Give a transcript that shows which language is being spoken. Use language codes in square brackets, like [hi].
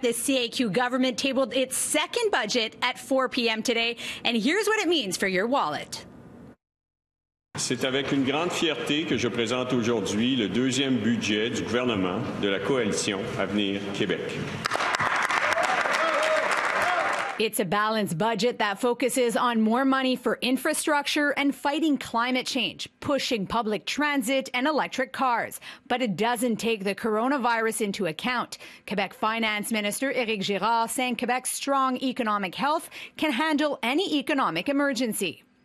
[en] The CAQ government tabled its second budget at 4 p.m. today, and here's what it means for your wallet. [fr] C'est avec une grande fierté que je présente aujourd'hui le deuxième budget du gouvernement de la coalition Avenir Québec. [en] It's a balanced budget that focuses on more money for infrastructure and fighting climate change, pushing public transit and electric cars. But it doesn't take the coronavirus into account. Quebec Finance Minister Éric Girard saying Quebec's strong economic health can handle any economic emergency.